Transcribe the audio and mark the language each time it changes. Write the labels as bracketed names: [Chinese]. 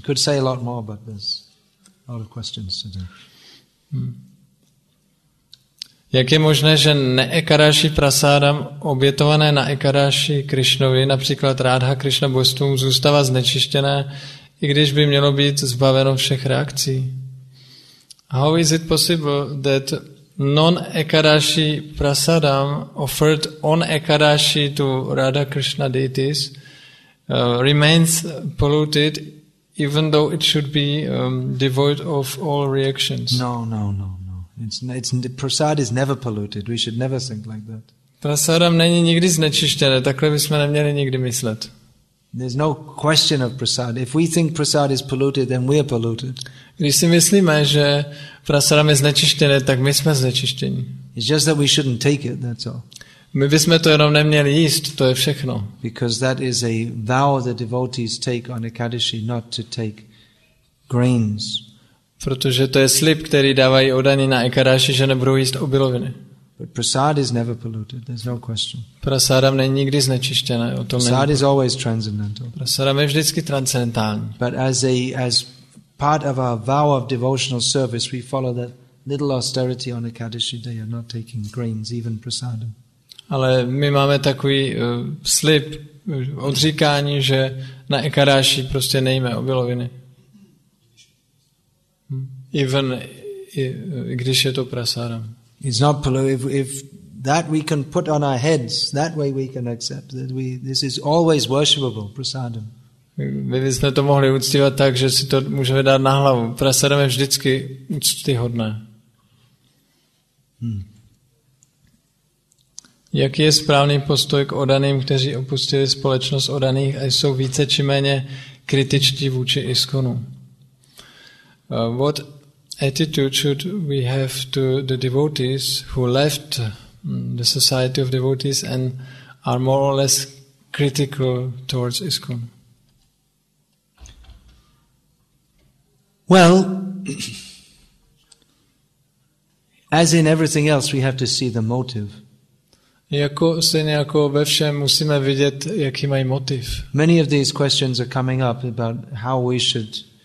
[English] Could say a lot more, but there's a lot of questions today. [Czech] Jak je možné, že neekaráši prasádam obětované na ekaráši Krišnovi, například Rádha Krišna Bostum, zůstává znečištěné, i když by mělo být zbaveno všech reakcí? [English] How is it possible that non-ekaráši prasádam offered on ekaráši to Rádha Krishna deities remains polluted even though it should be devoid of all reactions? No. It's the prasad is never polluted. We should never think like that. [Czech] Prasadam není nikdy znečištěné. Takhle bychom neměli nikdy myslet. [English] There's no question of prasad. If we think prasad is polluted, then we are polluted. [Czech] Když si myslíme, že prasadam je znečištěné, tak my jsme znečištění. [English] It's just that we shouldn't take it, that's all. [Czech] My bychom to jenom neměli jíst, to je všechno. [English] Because that is a vow that devotees take on Ekadashi, not to take grains. [Czech] Protože to je slib, který dávají odaní na Ekadashi, že nebudou jíst obiloviny. [English] But prasad is never polluted, there's no question. [Czech] Prasadam není nikdy znečištěné, o tom [English] prasad is always transcendental. [Czech] Prasadam je vždycky transcendentální. [English] But as part of our vow of devotional service, we follow that little austerity on Ekadashi day of not taking grains, even prasadam. [Czech] Ale my máme takový slib odříkání, že na Ekadashi prostě nejíme obiloviny. [English] Even [Czech] i když je to prasadam. [English] It's not polluted. If that we can put on our heads, that way we can accept that this is always worshipable, prasadam. [Czech] My bychom to mohli uctívat tak, že si to můžeme dát na hlavu. Prasadam je vždycky úctyhodné. Jaký je správný postoj k odaným, kteří opustili společnost odaných a jsou více či méně kritičtí vůči ISKCONu? [English] What attitude should we have to the devotees who left the society of devotees and are more or less critical towards ISKCON? Well, as in everything else, we have to see the motive. [Czech] Jako stejně jako ve všem musíme vidět, jaký mají motiv. [English] Many of these questions are coming up about how we should.